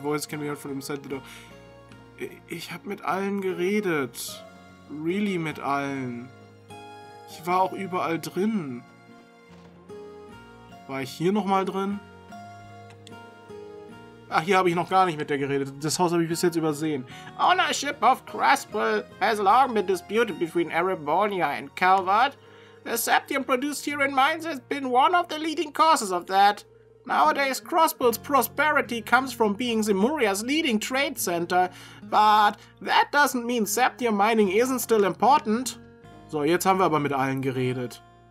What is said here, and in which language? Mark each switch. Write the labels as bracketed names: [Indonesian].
[English] Voice can be heard from the center. [German] Ich hab mit allen geredet. Really mit allen. Ich war auch überall drin. War ich hier nochmal drin? Ach, hier habe ich noch gar nicht mit der geredet. Das Haus habe ich bis jetzt übersehen. [English] Ownership of Crespel has long been disputed between Erebonia and Calvert. The septium produced here in mines has been one of the leading causes of that. Nowadays, Crespel's prosperity comes from being Zemuria's leading trade center. But that doesn't mean septium mining isn't still important. [German] So, jetzt haben wir aber mit allen geredet.